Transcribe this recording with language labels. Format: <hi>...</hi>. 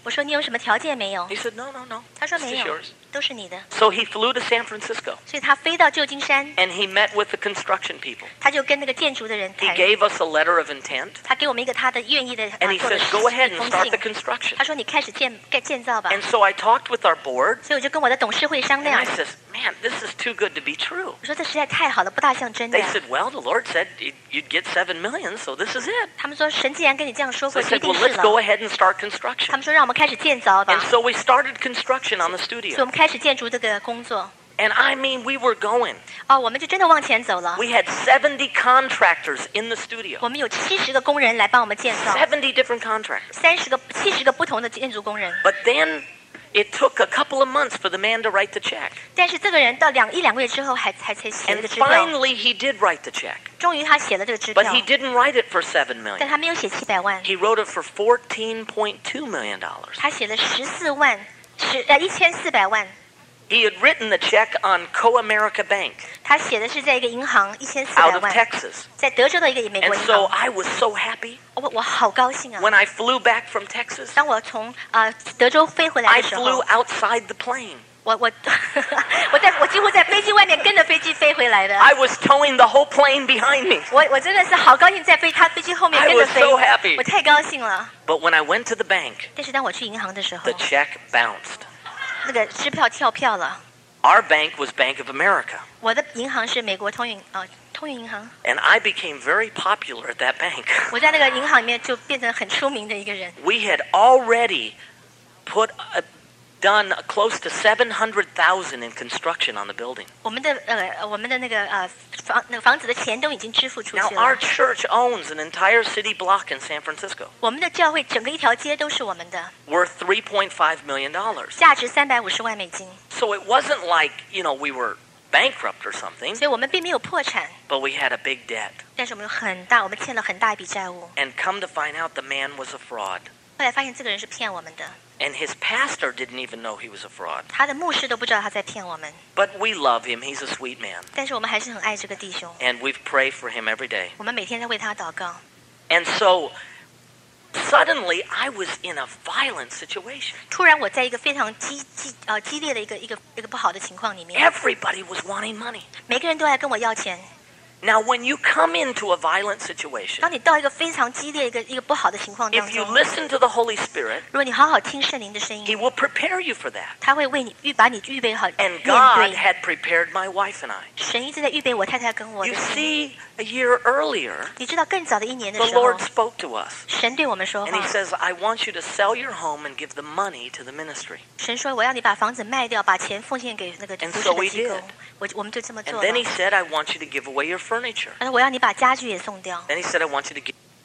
<zh>我说你有什么条件没有</zh> <en>？He said, No, no, no.</en> <zh>他说没有。</zh> <en>It's yours.</en> <zh>都是你的。</zh> <en>So he flew to San Francisco.</en> <zh>所以他飞到旧金山。</zh> <en>And he met with the construction people.</en> <zh>他就跟那个建筑的人谈。</zh> <en>He gave us a letter of intent.</en> <zh>他给我们一个他的愿意的。</zh> <en>And he says, "Go ahead and start the construction."</en> <zh>他说你开始建造吧。</zh> <en>And so I talked with our board.</en> <zh>所以我就跟我的董事会商量。</zh> <en>And I says, "Man, this is too good to be true."</en> <zh>我说这实在太好了，不大像真的。</zh> <en>They said, "Well, the Lord said you'd get $7 million, so this is it."</en> <zh>他们说神既然跟你这样说过，就一定是了。</zh> <en>So I said, "Well, let's go ahead and start construction."</en> <zh>他们说让我们开始建造吧。</zh> <en>And so we started construction on the studio.</en> <zh>开始建筑这个工作。</zh> <en>And I mean, we were going.</en> <zh>哦，我们就真的往前走了。</zh> <en>We had 70 contractors in the studio.</en> <zh>我们有70个工人来帮我们建造。</zh> <en>70 different contractors.</en> <zh>70个不同的建筑工人。</zh> <en>But then, it took a couple of months for the man to write the check.</en> <zh>但是这个人到两个月之后还写了个支票。</zh> <en>And finally, he did write the check.</en> <zh>终于他写了这个支票。</zh> <en>But he didn't write it for $7 million.</en> <zh>但他没有写七百万。</zh> <en>He wrote it for $14.2 million.</en> <zh>他写了14万。1400万。</zh> <en>He had written the check on Co-America Bank.</en> <zh>他写的是在一个银行1400万。</zh> <en>Out of Texas.</en> <zh>在德州的一个美国银行。</zh> <en>And so I was so happy.</en> <zh>我好高兴啊。</zh> <en>When I flew back from Texas.</en> <zh>当我从德州飞回来的时候。</zh> <en>I flew outside the plane.</en> <zh>我几乎在飞机外面跟着飞机飞回来的。</zh> <en>I was towing the whole plane behind me.</en> <zh>我真的是好高兴在飞机后面跟着飞。</zh> <en>I was so happy.</en> <zh>我太高兴了。</zh> <en>But when I went to the bank,</en> <zh>但是当我去银行的时候</zh> <en>the check bounced.</en> <zh>那个支票跳票了。</zh> <en>Our bank was Bank of America.</en> <zh>我的银行是美国通运银行。</zh> <en>And I became very popular at that bank.</en> <zh>我在那个银行里面就变成很出名的一个人。</zh> <en>We had already put done close to 700,000 in construction on the building.</en> <zh>我们的那个房子的钱都已经支付出去了。</zh> <en>Now our church owns an entire city block in San Francisco.</en> <zh>我们的教会整个一条街都是我们的。</zh> <en>Worth $3.5 million.</en> <zh>价值350万美金。</zh> <en>So it wasn't like, you know, we were bankrupt or something.</en> <zh>所以我们并没有破产。</zh> <en>But we had a big debt.</en> <zh>但是我们有很大，我们欠了很大一笔债务。</zh> <en>And come to find out, the man was a fraud.</en> <zh>后来发现这个人是骗我们的。</zh> <en>And his pastor didn't even know he was a fraud.</en> <zh>他的牧师都不知道他在骗我们。</zh> <en>But we love him. He's a sweet man.</en> <zh>但是我们还是很爱这个弟兄。</zh> <en>And we pray for him every day.</en> <zh>我们每天在为他祷告。</zh> <en>And so, suddenly, I was in a violent situation.</en> <zh>突然我在一个非常激烈的一个不好的情况里面。</zh> <en>Everybody was wanting money.</en> <zh>每个人都来跟我要钱。</zh> <en>Now, when you come into a violent situation,</en> <zh>当你到一个非常激烈一个不好的情况当中</zh> <en>if you listen to the Holy Spirit,</en> <zh>如果你好好听圣灵的声音</zh> <en>He will prepare you for that.</en> <zh>他会为你把你预备好</zh> <en>And God had prepared my wife and I.</en> <zh>神一直在预备我太太跟我的</zh> <en>You see, a year earlier,</en> <zh>你知道更早的一年的时候</zh> <en>the Lord spoke to us.</en> <zh>神对我们说话</zh> <en>And he says, I want you to sell your home and give the money to the ministry.</en> <zh>神说我要你把房子卖掉把钱奉献给那个服侍的机构</zh> <en>And so we did.</en> <zh>我们就这么做了。</zh> <en>And then he said, I want you to give away your furniture.</en> <zh>我要你把家具也送掉。</zh> <en>Then he said, I want you to give</en>